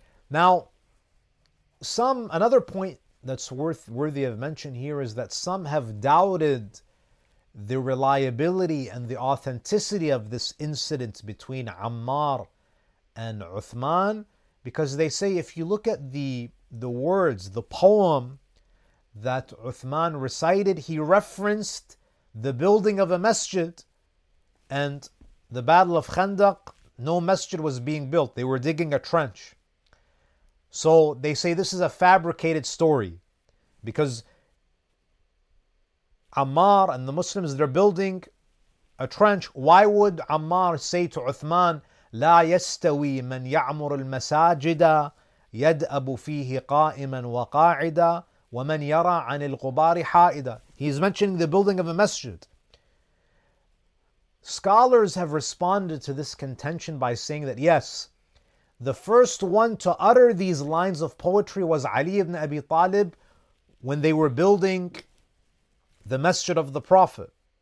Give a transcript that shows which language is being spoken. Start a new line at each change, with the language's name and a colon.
English: Now, another point that's worthy of mention here is that some have doubted the reliability and the authenticity of this incident between Ammar and Uthman, because they say if you look at the words, the poem that Uthman recited, he referenced the building of a masjid and the Battle of Khandaq. No masjid was being built, they were digging a trench. So they say this is a fabricated story, because Ammar and the Muslims, they're building a trench. Why would Ammar say to Uthman,
Arabic: لا يستوي من يعمر المساجد يدأب فيه قائما وقاعدا ومن يرى عن الغبار حائدا.
English: He's mentioning the building of a masjid. Scholars have responded to this contention by saying that yes, the first one to utter these lines of poetry was Ali ibn Abi Talib when they were building the masjid of the Prophet.